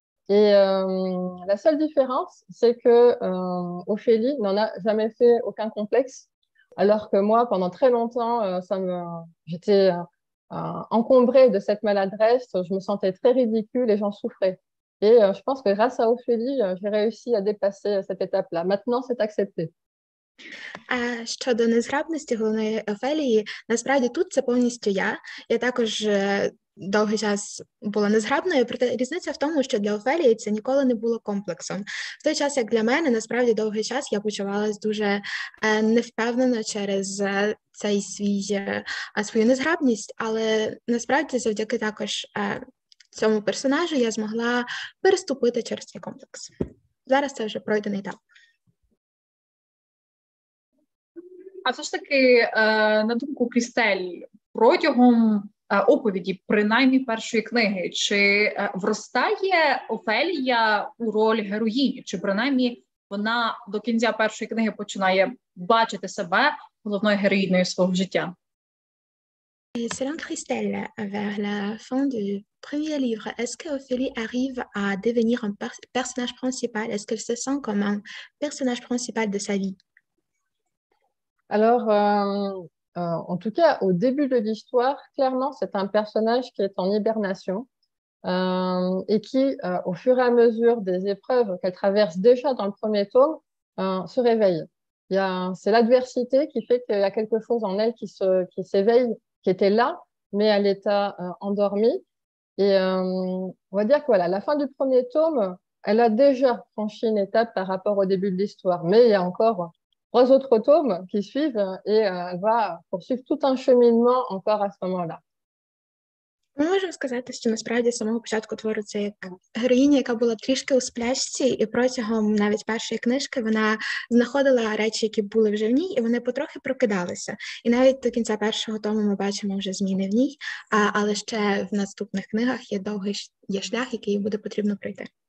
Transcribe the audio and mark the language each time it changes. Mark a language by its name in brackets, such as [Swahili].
[French] Et la seule différence, c'est que Ophélie n'en a jamais fait aucun complexe, alors que moi, pendant très longtemps, j'étais encombrée de cette maladresse. Je me sentais très ridicule et j'en souffrais. Et je pense que grâce à Ophélie, j'ai réussi à dépasser cette étape-là. Maintenant, c'est accepté. [Ukrainian] Щодо незграбності головної Офелії, насправді тут це повністю я. Я також довгий час була незграбною, проте різниця в тому, що для Офелії це ніколи не було комплексом. В той час, як для мене, насправді довгий час я почувалась дуже невпевнено через цей свій свою незграбність, але насправді завдяки також цьому персонажу я змогла переступити через цей комплекс. Зараз це вже пройдений етап. А все ж таки, на думку Крістель, протягом оповіді, принаймні першої книги, чи вростає Офелія у роль героїні? Чи принаймні вона до кінця першої книги починає бачити себе головною героїною свого життя? [French] Selon Christelle, vers la fin du premier livre, est-ce que Ophélie arrive à devenir un personnage principal? Est-ce qu'elle se sent comme un personnage principal de sa vie? Alors, en tout cas, au début de l'histoire, clairement, c'est un personnage qui est en hibernation et qui, au fur et à mesure des épreuves qu'elle traverse déjà dans le premier tome, se réveille. C'est l'adversité qui fait qu'il y a quelque chose en elle qui s'éveille, qui était là, mais à l'état endormi. Et on va dire que voilà, la fin du premier tome, elle a déjà franchi une étape par rapport au début de l'histoire. Mais il y a encore trois autres tomes qui suivent et elle va poursuivre tout un cheminement encore à ce moment-là. [Ukrainian] Ми можемо сказати, що насправді з самого початку твору це як героїня, яка була трішки у сплячці, і протягом навіть першої книжки вона знаходила речі, які були вже в ній, і вони потрохи прокидалися. І навіть до кінця першого тому ми бачимо вже зміни в ній, але ще в наступних книгах є довгий є шлях, який їй буде потрібно пройти.